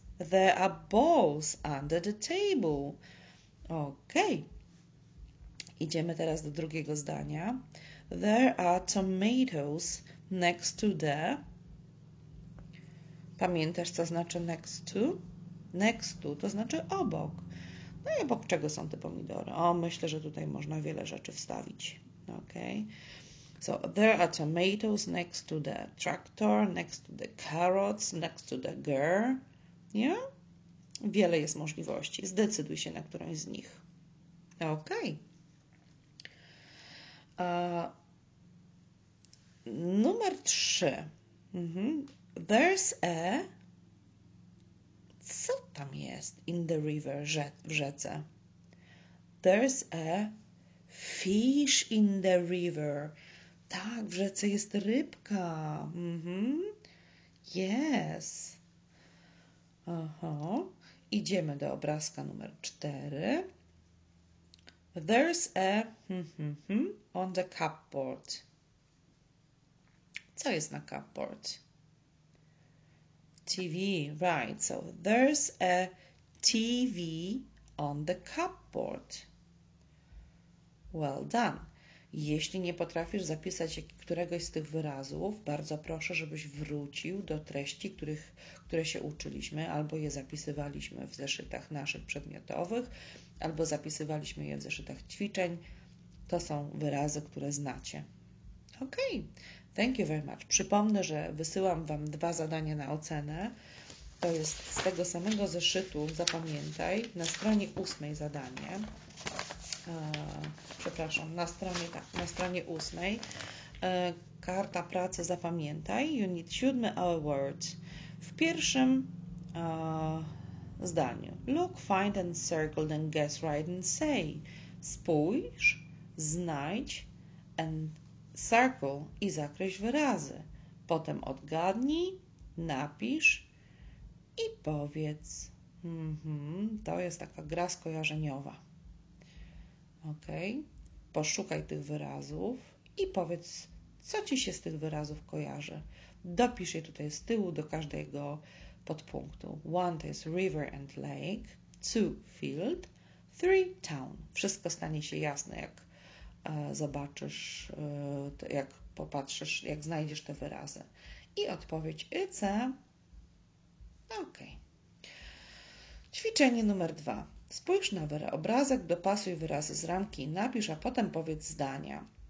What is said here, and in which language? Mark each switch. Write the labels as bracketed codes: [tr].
[en] There are balls under the table. Ok. [pl] Idziemy teraz do drugiego zdania. [en] There are tomatoes next to the... [pl] Pamiętasz, co znaczy [en] next to? [pl] Next to znaczy obok. No i obok czego są te pomidory? O, myślę, że tutaj można wiele rzeczy wstawić. Ok. [en] So there are tomatoes next to the tractor, next to the carrots, next to the girl. [pl] Nie? Wiele jest możliwości. Zdecyduj się na którąś z nich. Ok. [en] Numer 3. There's a... [pl] Co tam jest [en] in the river, [pl] w rzece? [en] There's a fish in the river. [pl] Tak, w rzece jest rybka. [en] Yes. [pl] Idziemy do obrazka numer 4. [en] There's a on the cupboard. [pl] Co jest na cupboard? [en] TV, right. So there's a TV on the cupboard. Well done. [pl] Jeśli nie potrafisz zapisać któregoś z tych wyrazów, bardzo proszę, żebyś wrócił do treści, które się uczyliśmy, albo je zapisywaliśmy w zeszytach naszych przedmiotowych, albo zapisywaliśmy je w zeszytach ćwiczeń. To są wyrazy, które znacie. Ok, [en] thank you very much. [pl] Przypomnę, że wysyłam Wam dwa zadania na ocenę. To jest z tego samego zeszytu, zapamiętaj, na stronie 8 zadanie. Przepraszam, na stronie 8. Karta pracy, zapamiętaj, [en] unit 7 our word. [pl] W pierwszym zdaniu. [en] Look, find and circle, then guess right and say. [pl] Spójrz, znajdź [en] and circle [pl] i zakreśl wyrazy. Potem odgadnij, napisz i powiedz. To jest taka gra skojarzeniowa. Ok, poszukaj tych wyrazów i powiedz, co ci się z tych wyrazów kojarzy. Dopisz je tutaj z tyłu do każdego podpunktu. [en] One [pl] to jest [en] river and lake, two field, three town. [pl] Wszystko stanie się jasne, jak zobaczysz, jak popatrzysz, jak znajdziesz te wyrazy. I odpowiedź [en] it's a... [pl] Ok. Ćwiczenie numer 2. Spójrz na obrazek, dopasuj wyrazy z ramki, napisz, a potem powiedz zdania.